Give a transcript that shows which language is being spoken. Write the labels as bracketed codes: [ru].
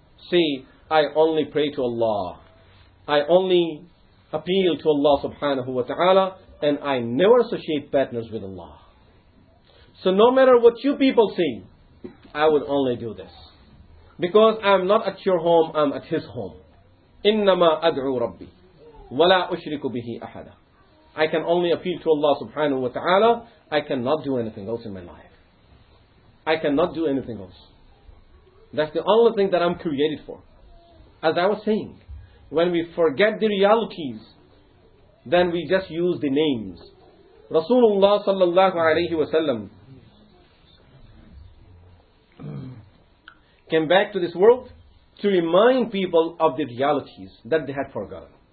[en] See, I only pray to Allah. I only appeal to Allah subhanahu wa ta'ala, and I never associate partners with Allah. So no matter what you people see, I would only do this. Because I'm not at your home, I'm at his home. [ar] إِنَّمَا أَدْعُوا رَبِّي وَلَا أُشْرِكُ بِهِ أَحَدًا. [en] I can only appeal to Allah subhanahu wa ta'ala. I cannot do anything else in my life. I cannot do anything else. That's the only thing that I'm created for. As I was saying, when we forget the realities, then we just use the names. Rasulullah sallallahu alayhi wa sallam came back to this world to remind people of the realities that they had forgotten.